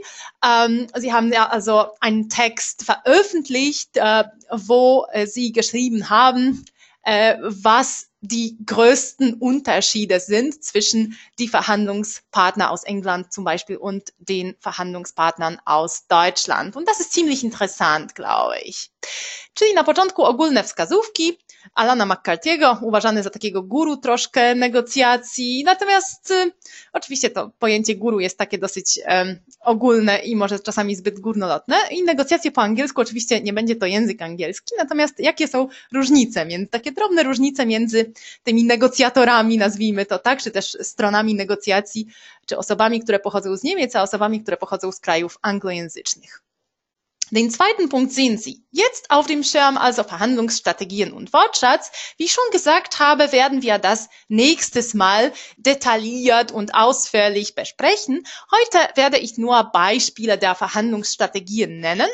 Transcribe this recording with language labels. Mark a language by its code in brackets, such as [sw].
[de] Sie haben ja also einen Text veröffentlicht, wo Sie geschrieben haben, was die größten Unterschiede sind zwischen die Verhandlungspartner aus England zum Beispiel und den Verhandlungspartnern aus Deutschland. Und das ist ziemlich interessant, glaube ich. [pl] Czyli na początku ogólne wskazówki Alana McCarthy'ego, uważany za takiego guru troszkę negocjacji. Natomiast oczywiście to pojęcie guru jest takie dosyć ogólne i może czasami zbyt górnolotne. I negocjacje po angielsku, oczywiście nie będzie to język angielski. Natomiast jakie są różnice, takie drobne różnice między tymi negocjatorami, nazwijmy to tak, czy też stronami negocjacji, czy osobami, które pochodzą z Niemiec, a osobami, które pochodzą z krajów anglojęzycznych. [de] Den zweiten Punkt sehen Sie jetzt auf dem Schirm, also Verhandlungsstrategien und Wortschatz. Wie ich schon gesagt habe, werden wir das nächstes Mal detailliert und ausführlich besprechen. Heute werde ich nur Beispiele der Verhandlungsstrategien nennen.